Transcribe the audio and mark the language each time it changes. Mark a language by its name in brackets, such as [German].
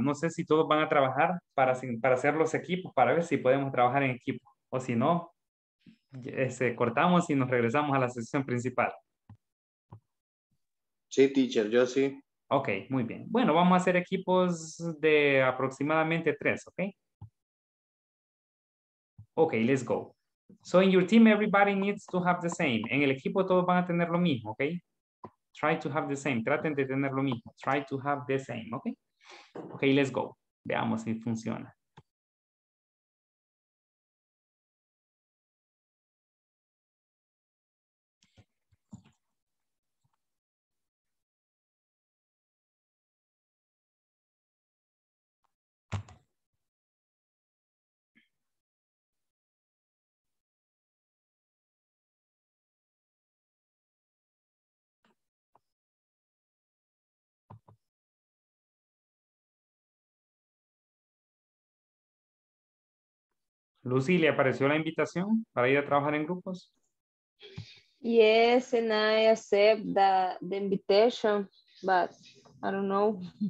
[Spanish] No sé si todos van a trabajar para hacer los equipos, para ver si podemos trabajar en equipo. O si no, cortamos y nos regresamos a la sesión principal. Sí, teacher, yo sí. Ok, muy bien. Bueno, vamos a hacer equipos de aproximadamente tres, ok? [English] Ok, let's go. So in your team, everybody needs to have the same. [Spanish] En el equipo todos van a tener lo mismo, ok? [English] Try to have the same. [Spanish] Traten de tener lo mismo. [English] Try to have the same, ok? Ok, let's go. [Spanish] Veamos si funciona. Lucy, ¿le apareció la invitación para ir a trabajar en grupos? [English] Yes, and I accept the invitation, but I don't know.